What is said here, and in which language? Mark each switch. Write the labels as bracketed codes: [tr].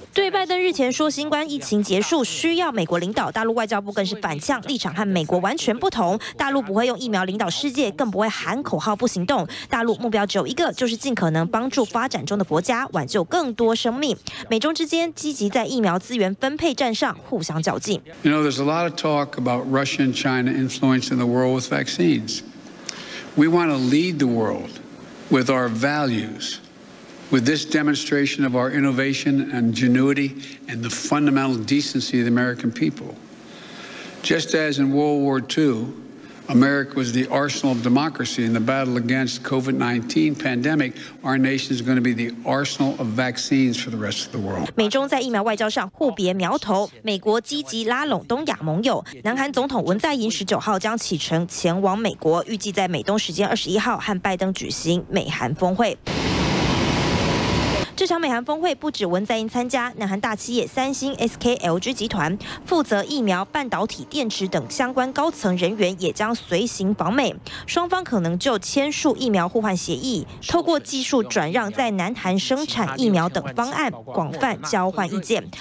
[zh] 对拜登日前说新冠疫情结束需要美国领导，大陆外交部更是反呛，立场和美国完全不同。大陆不会用疫苗领导世界，更不会喊口号不行动。大陆目标只有一个，就是尽可能帮助发展中的国家挽救更多生命。美中之间积极在疫苗资源分配战上互相较劲。 [en] You know, there's a lot of talk about Russia and China influence in the world with vaccines. We want to lead the world with our values. With this demonstration of our innovation and ingenuity and the fundamental decency of the American people. Just as in World War II, America was the arsenal of democracy in the battle against COVID-19 pandemic, our nation is going to be the arsenal of vaccines for the rest of the world. [zh] 美中在疫苗外交上互别苗头，美国积极拉拢东亚盟友。南韩总统文在寅19号将启程前往美国，预计在美东时间21号和拜登举行美韩峰会。这场美韩峰会不止文在寅参加，南韩大企业三星、SK、LG 集团负责疫苗、半导体、电池等相关高层人员也将随行访美，双方可能就签署疫苗互换协议，透过技术转让在南韩生产疫苗等方案广泛交换意见。